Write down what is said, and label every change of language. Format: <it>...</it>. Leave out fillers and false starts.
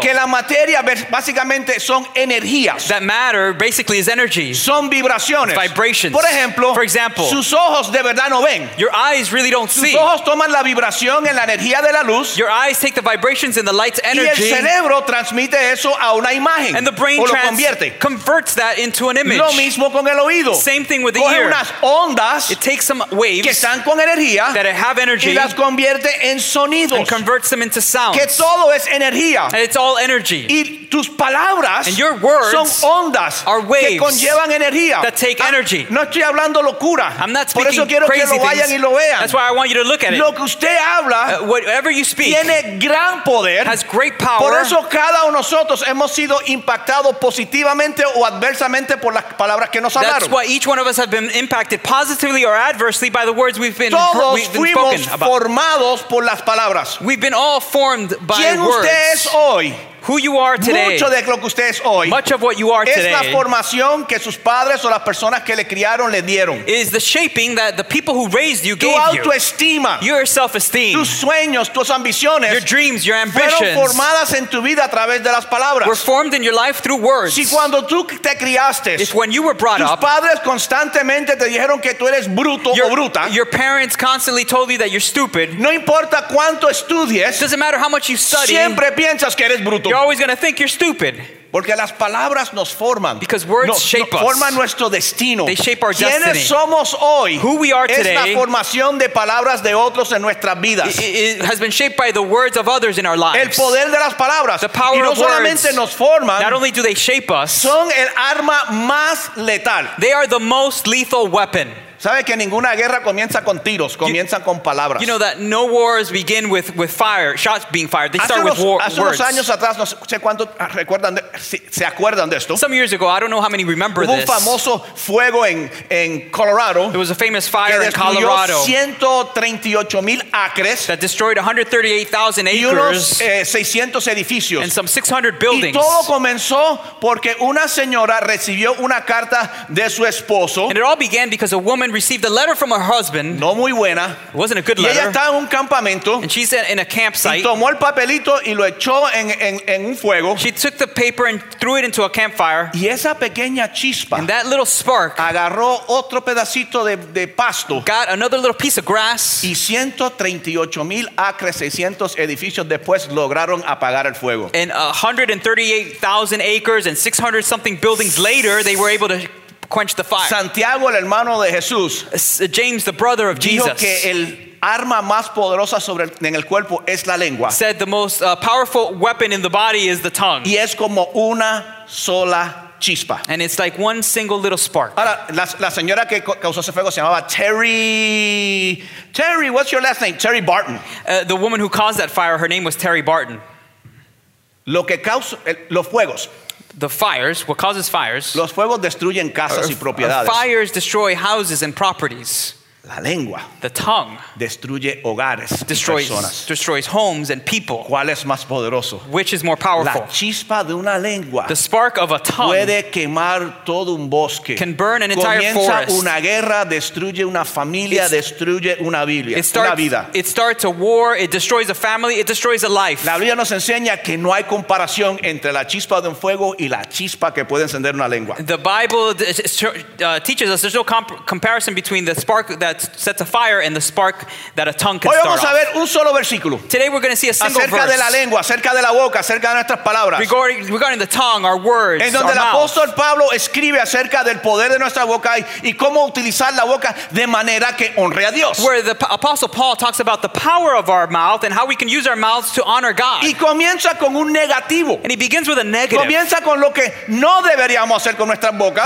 <es>Que la materia básicamente son energías.</es> <en>That matter basically is energy.</en> <es>Son vibraciones.</es> <en>Vibrations.</en> <es>Por ejemplo,</es> <en>for example,</en> <es>sus ojos de verdad no ven.</es> <en>Your eyes really don't</en> <es>sus</es> <en>see.</en> <es>Sus ojos toman la vibración en la energía de la luz.</es> <en>Your eyes take the vibrations in the light's energy.</en> <es>Y el cerebro transmite eso a una imagen.</es> <en>And the brain converts that into an image. Same thing with the</en> <es>coge</es> <en>ear.</en> <es>Unas ondas</es> <en>it takes some waves</en> <es>que están con energía,</es> <en>that have energy</en> <es>y las convierte en sonidos,</es> <en>and converts them into sounds.</en> <es>Que todo es energía.</es> <en>And it's all energy.</en> <es>Y tus palabras</es> <en>and your words</en> <es>son ondas</es> <en>are waves</en> <es>que conllevan energía.</es> <en>That take energy.</en> <es>No estoy hablando locura.</es> <en>I'm not speaking</en> <es>por eso quiero</es> <en>crazy</en> <es>que lo vayan</es> <en>things.</en> <es>Y lo vean.</es> <en>That's why I want you to look at it.</en> <es>Lo que usted habla,</es> <en>whatever you speak</en> <es>tiene gran poder,</es> <en>has great power.</en> <es>Por eso cada uno de nosotros hemos sido impactados positivamente o adversamente por las palabras.</es> <en>That's why each one of us have been impacted positively or adversely by the words we've been, we've been spoken formados about.</en> <es>Por las palabras.</es> <en>We've been all formed by</en> <es>¿quién</es> <en>words.</en> <es>Usted es hoy?</es> <en>Who you are today,</en> <es>mucho de lo que usted es hoy,</es> <en>much of what you are</en> <es>es</es> <en>today,</en> <es>la formación que sus padres o las personas que le criaron le dieron,</es> <en>is the shaping that the people who raised you</en> <es>tu</es> <en>gave</en> <es>autoestima,</es> <en>you, your self-esteem,</en> <es>tus sueños, tus ambiciones,</es> <en>your dreams, your ambitions,</en> <es>fueron formadas en tu vida a través de las palabras,</es> <en>were formed in your life through words.</en> <es>Si cuando tú te criaste,</es> <en>if when you were brought</en> <es>tus</es> <en>up,</en> <es>tus padres constantemente te dijeron que tú eres bruto</es> <en>your,</en> <es>o bruta,</es> <en>your parents constantly told you that you're stupid,</en> <es>no importa cuánto estudies,</es> <en>it doesn't matter how much you study,</en> <es>siempre piensas que eres bruto.</es> <en>You're always going to think you're stupid.</en> <es>Porque las palabras nos forman.</es> <en>Because words no, shape no, us.</en> <es>Forman nuestro destino.</es> <en>They shape our destiny.</en> <es>¿Quiénes somos hoy?</es> <en>Who we are</en> <es>es</es> <en>today</en> <es>la formación de palabras de otros en nuestras vidas.</es> <en>It has been shaped by the words of others in our lives.</en> <es>El poder de las palabras.</es> <en>The power</en> <es>y no</es> <en>of</en> <es>solamente</es> <en>words,</en> <es>nos forman.</es> <en>Not only do they shape us.</en> <es>Son el arma más letal.</es> <en>They are the most lethal weapon.</en> <es>Sabe que ninguna guerra comienza con tiros, comienza con palabras.</es> <en>You know that no wars begin with fire, shots being fired. They start with words.</en> <es>Hace unos años atrás, no sé cuánto recuerdan, se acuerdan de esto.</es> <en>Some years ago, I don't know how many remember</en> <es>this. Hubo un famoso fuego en Colorado.</es> <en>There was a famous fire in Colorado.</en> <es>138,000 acres.</es> <en>That destroyed 138,000 acres.</en> <es>Y unos 600 edificios.</es> <en>And some 600 buildings.</en> <es>Y todo comenzó porque una señora recibió una carta de su esposo.</es> <en>And it all began because a woman received a letter from her husband.</en> <es>No muy buena.</es> <en>It wasn't a good letter.</en> <es>Y ella estaba en un campamento.</es> <en>And she said in a campsite.</en> <es>Y tomó el papelito y lo echó en un fuego.</es> <en>She took the paper and threw it into a campfire.</en> <es>Y esa pequeña chispa.</es> <en>And that little spark.</en> <es>Agarró otro pedacito de pasto.</es> <en>Got another little piece of grass.</en> <es>Y 138,000 acres, 600 edificios después lograron apagar el fuego.</es> <en>And 138,000 acres and 600 something buildings later, they were able to quench the fire.</en> <es>Santiago, el hermano de Jesús,</es> <en>James, the brother of</en> <es>dijo que el arma más poderosa sobre el, en el cuerpo es la lengua.</es> <en>Said the most powerful weapon in the body is the tongue.</en> <es>Y es como una sola chispa.</es> <en>And it's like one single little spark.</en> <es>Ahora, la señora que causó ese fuego se llamaba Terry,</es> <en>what's your last name?</en> <es>Terry Barton.</es> <en>The woman who caused that fire, her name was Terry Barton.</en> <es>Lo que causa los fuegos.</es> <en>The fires, what causes fires?</en> <es>Los fuegos destruyen casas y propiedades.</es> <en>Fires destroy houses and properties.</en> <es>La lengua.</es> <en>The tongue.</en> <es>Destruye hogares.</es> <en>Destroys homes and people.</en> <es>¿Cuál es más poderoso?</es> <en>Which is more powerful?</en> <es>La chispa de una lengua.</es> <en>The spark of a tongue.</en> <es>Puede quemar todo un bosque.</es> <en>Can burn an entire</en> <es>Comienza</es> <en>forest.</en> <es>Comienza una guerra, destruye una familia, destruye una Biblia, una vida.</es> <en>It starts a war, it destroys a family, it destroys a life.</en> <es>La Biblia nos enseña que no hay comparación entre la chispa de un fuego y la chispa que puede encender una lengua.</es> <en>The Bible teaches us there's no comparison between the spark that sets a fire and the spark that a tongue can</en> <es>Hoy vamos</es> <en>start</en> <es>a ver un solo versículo.</es> <en>Today we're going to see a single</en> <es>acerca</es> <en>verse</en> <es>de la lengua, acerca de la boca, acerca de nuestras palabras.</es> <en>Regarding the tongue, our words,</en> <es>en donde</es> <en>our</en> <es>el</es> <en>mouth.</en> <es>Apóstol Pablo escribe acerca del poder de nuestra boca y cómo utilizar la boca de manera que honre a Dios.</es> <en>Where the Apostle Paul talks about the power of our mouth and how we can use our mouths to honor God.</en> <es>Y comienza con un negativo.</es> <en>And he begins with a negative.</en> <es>Comienza con lo que no deberíamos hacer con nuestras bocas.</es>